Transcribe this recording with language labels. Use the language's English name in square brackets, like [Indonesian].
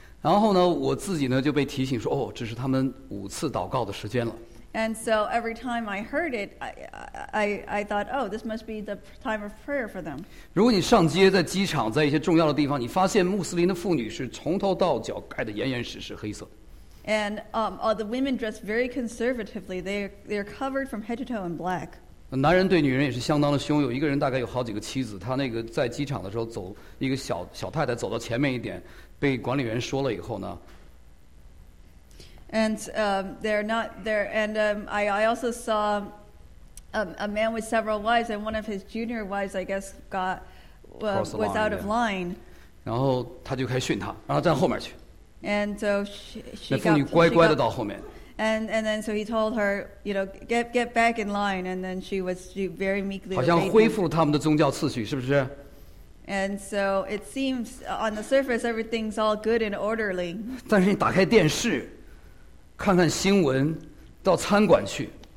[Chinese] 然后呢，我自己呢就被提醒说，哦，这是他们五次祷告的时间了。 [English] And so every time I heard it, I thought, oh, this must be the time of prayer for them. [Chinese] 如果你上街，在机场，在一些重要的地方，你发现穆斯林的妇女是从头到脚盖得严严实实，黑色的。 [English] And the women dress very conservatively. They're covered from head to toe in black. [Chinese] 男人对女人也是相当的凶。有一个人大概有好几个妻子。他那个在机场的时候走，一个小太太走到前面一点，被管理员说了以后呢。 [English] And they're not there. And I also saw a man with several wives, and one of his junior wives, I guess, got was out of line. [Chinese] 然后他就开始训他，然后站后面去。 [English] And so she [Chinese] 那妇女乖乖的到后面。 [English] And then so he told her, you know, get back in line. And then she very meekly. [Chinese] 好像恢复了他们的宗教次序，是不是？ [English] And so it seems on the surface everything's all good and orderly. [Chinese] 但是你打开电视，看看新闻，到餐馆去。